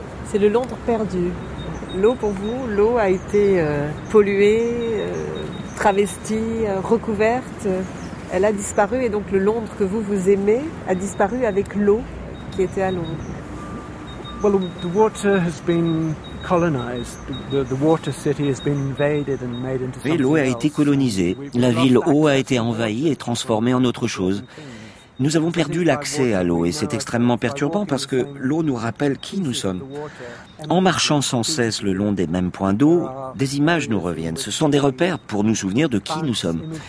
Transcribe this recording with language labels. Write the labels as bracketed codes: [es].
[fr] C'est le Londres perdu. L'eau pour vous, l'eau a été polluée, travestie, recouverte. Elle a disparu et donc le Londres que vous aimez a disparu avec l'eau qui était à Londres. [en] Well, the water has been colonized. The water city has been invaded and made into something. [fr] Oui, l'eau a été colonisée. La ville eau a été envahie et transformée en autre chose. Nous avons perdu l'accès à l'eau et c'est extrêmement perturbant parce que l'eau nous rappelle qui nous sommes. En marchant sans cesse le long des mêmes points d'eau, des images nous reviennent. Ce sont des repères pour nous souvenir de qui nous sommes.